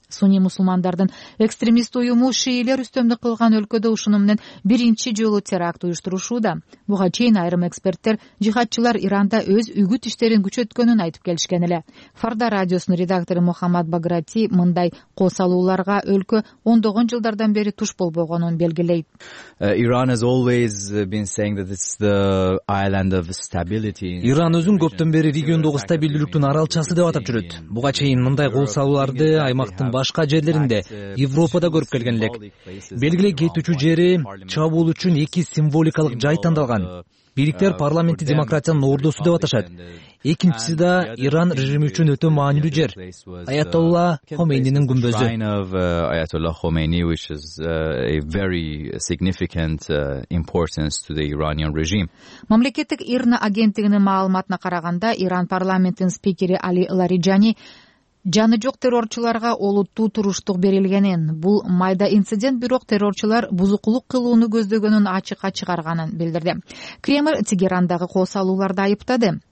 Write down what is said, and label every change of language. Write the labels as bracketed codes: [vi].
[ky] Суни мусулмандардын экстремист уюму шиилер үстөмдүк кылган өлкөдө ушуну менен биринчи жолу теракт уюштурушууда. Буга чейин айрым эксперттер жихадчылар Иранда өз үгүт иштерин күчөткөнүн айтып келишкен эле. Фарда радиосунун редактору Мухаммад Баграти мындай кол салууларга өлкө ондогон жылдардан бери туш болбогонун белгилейт. [en] Иран has always been saying that it's the island of stability. [ky] Иран өзүн көптөн бери региондогу стабилдүүлүктүн аралчасы деп атап жүрөт. Буга чейин мындай кол салууларды аймактын башка жерлеринде, Европада көрүп келген элек. Белгилей кетүүчү жери чабуулчунун эки символикалык жай тандалган. Бириктер парламентти демократиянын ордосу деп аташат. Экинчиси да Иран режими үчүн өтө маанилүү жер. Аятолла Хомейнинин күмбөзү. [en] Аятолла Хомейни, which is a very significant importance to the Iranian regime. [ky] Мамлекеттик ИРНА агенттигинин маалыматына караганда, Иран парламентинин спикери Али Лариджани жаны жок террорчуларга олуттуу туруштук берилгенин, бул майда инцидент, бирок террорчулар бузукулук кылууну көздөгөнүн ачыкка чыгарганын билдирди. Кремль Тегерандагы кол салууларды айыптады.